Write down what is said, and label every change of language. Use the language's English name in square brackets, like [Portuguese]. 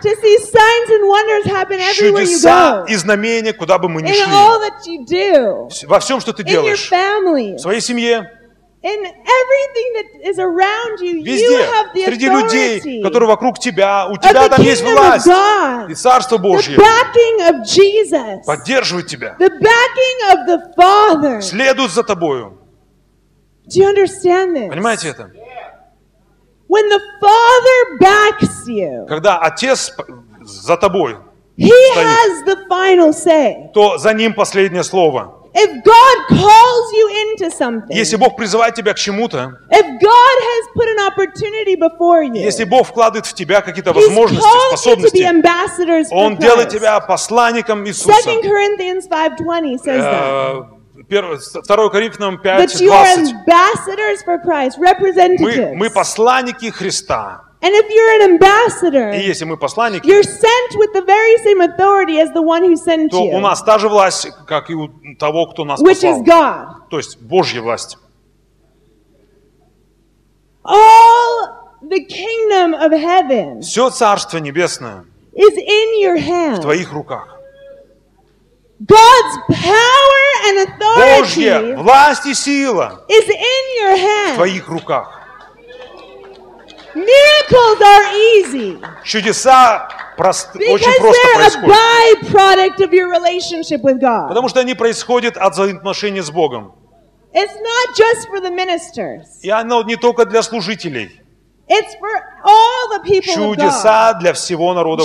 [English] To see signs and wonders happen everywhere you go. [Russian] Чудеса и знамения, куда бы мы ни [English] in [Russian] шли. [English] All that you do. [Russian] Во всем, что ты [English] in [Russian] делаешь. [English] Your family. [Russian] В своей семье. [English] In everything that is around you, [Russian] везде, [English] you have the authority. [Russian] Среди людей, которые вокруг тебя, у тебя там есть власть. [English] God, [Russian] и Царство Божье. [English] The backing of Jesus. [Russian] Поддерживает тебя. [English] The backing of the Father. [Russian] Следует за тобою. [English] Do you understand this? [Russian] Понимаете это? [English] When the Father backs you. [Russian] Когда Отец за тобой. [English] He [Russian] стоит, [English] has the final say. [Russian] То за ним последнее слово. [English] If God calls you into something, [Russian] если Бог призывает тебя к чему-то, [English] if God has put an opportunity before you, [Russian] если Бог вкладывает в тебя какие-то возможности, способности, [English] to be ambassadors [Russian] Он делает тебя посланником Иисуса. [English] 2 Corinthians 5:20 says that. [Russian] 2 Коринфянам 5:20. [English] That you are ambassadors for Christ, representatives. [Russian] Мы посланники Христа. [English] And if you're an ambassador, [Russian] и если мы посланники, [English] you're sent with the very same authority as the one who sent you. [Russian] То у нас та же власть, как и у того, кто нас [English] which [Russian] послал. [English] Is God. [Russian] То есть Божья власть. [English] All the kingdom of heaven. [Russian] Все царство небесное. [English] Is in your hand. [Russian] В твоих руках. [English] God's power and authority. [Russian] Божья власть и сила. [English] Is in your hand. [Russian] В твоих руках. [English] Miracles are easy. [Russian] Чудеса просто, очень просто происходят. [English] Because they're a byproduct of your relationship with God. [Russian] Потому что они происходят от взаимоотношений с Богом. [English] It's not just for the ministers. [Russian] И оно не только для служителей. [English] It's for all the people of God. [Russian] Чудеса для всего народа